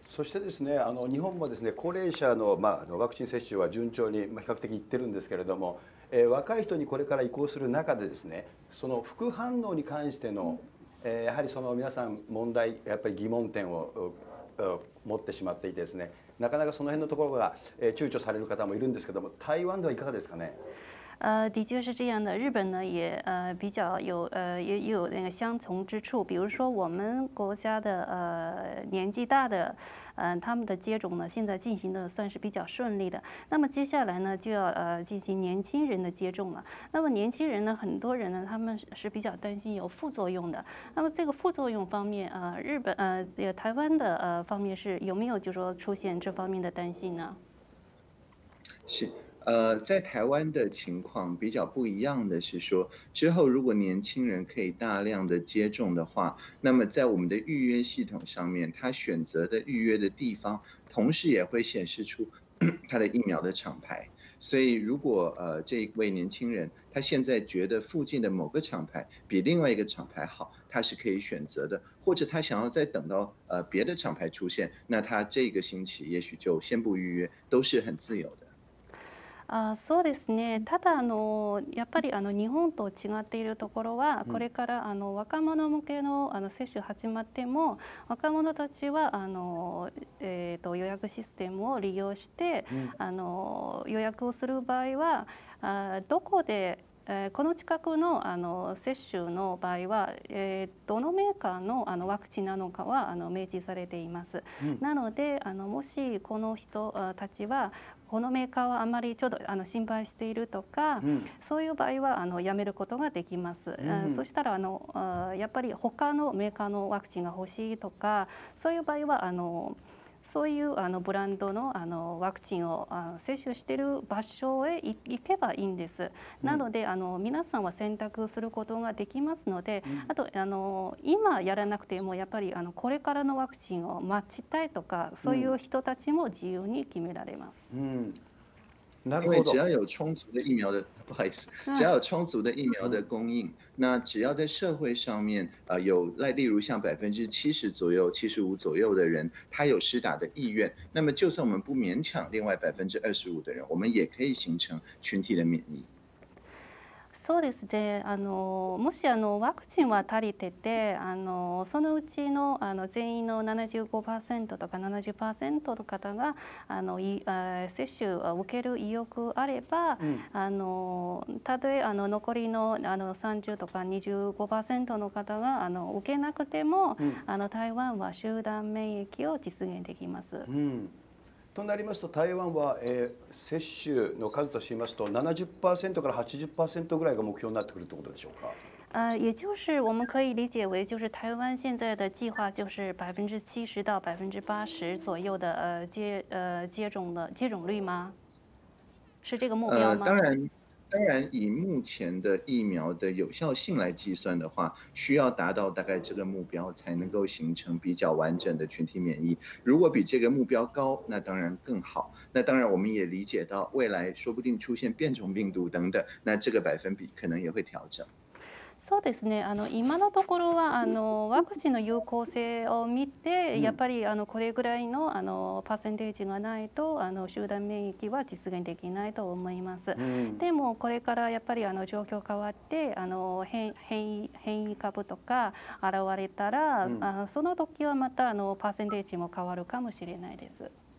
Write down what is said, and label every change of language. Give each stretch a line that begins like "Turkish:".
Japanese: そしてですね、日本もですね、高齢者の、ワクチン接種は順調に、比較的いってるんですけれども、若い人にこれから移行する中でですね、その副反応に関しての、やはりその皆さん問題、やっぱり疑問点を持ってしまっていてですね、なかなかその辺のところが躊躇される方もいるんですけども、台湾ではいかがですかね。
Chinese: 的确是这样的。日本呢也比较有也有那个相同之处，比如说我们国家的年纪大的，他们的接种呢现在进行的算是比较顺利的。那么接下来呢就要进行年轻人的接种了。那么年轻人呢，很多人呢他们是比较担心有副作用的。那么这个副作用方面，日本台湾的方面是有没有就说出现这方面的担心呢？是。在台湾的情况比较不一样的是说，之后如果年轻人可以大量的接种的话，那么在我们的预约系统上面，他选择的预约的地方，同时也会显示出他的疫苗的厂牌。所以，如果这一位年轻人他现在觉得附近的某个厂牌比另外一个厂牌好，他是可以选择的，或者他想要再等到别的厂牌出现，那他这个星期也许就先不预约，都是很自由的。
Japanese: そうですね。ただやっぱり日本と違っているところは、これから若者向けの接種始まっても、若者たちは予約システムを利用して予約をする場合は、どこで、この近くの接種の場合は、どのメーカーのワクチンなのかは明示されています。なので、もしこの人たちはこのメーカーはあまりちょっと心配しているとか、そういう場合はやめることができます。そしたらやっぱり他のメーカーのワクチンが欲しいとか、そういう場合はそういうブランドのワクチンを接種している場所へ行けばいいんです。なので皆さんは選択することができますので、あと今やらなくても、やっぱりこれからのワクチンを待ちたいとか、そういう人たちも自由に決められます。なる
Chinese: 因
Japanese: ほ
Chinese: 为只
Japanese: ど。
Chinese: 要有充足的疫苗的，不好意思，只要有充足的疫苗的供应，那只要在社会上面，有赖，例如像70%左右、75%左右的人，他有施打的意愿，那么就算我们不勉强另外25%的人，我们也可以形成群体的免疫。
Japanese: そうですね。もしワクチンは足りてて、そのうちの全員の75%とか70%の方が接種を受ける意欲あれば、たとえ残りの30%とか25%の方が受けなくても、台湾は集団免疫を実現できます。となりますと、台湾は、接種の数としますと、70%から80%ぐらいが目標になってくるということでしょうか。
Chinese: 也就是我们可以理解为，就是台湾现在的计划就是70%到80%左右的接种率吗？是这个目标吗？当然，以目前的疫苗的有效性来计算的话，需要达到大概这个目标才能够形成比较完整的群体免疫。如果比这个目标高，那当然更好。那当然，我们也理解到未来说不定出现变种病毒等等，那这个百分比可能也会调整。
Japanese: そうですね。今のところはワクチンの有効性を見て、やっぱりこれぐらいのパーセンテージがないと集団免疫は実現できないと思います。でもこれからやっぱり状況変わって、変異株とか現れたら、その時はまたパーセンテージも変わるかもしれないです。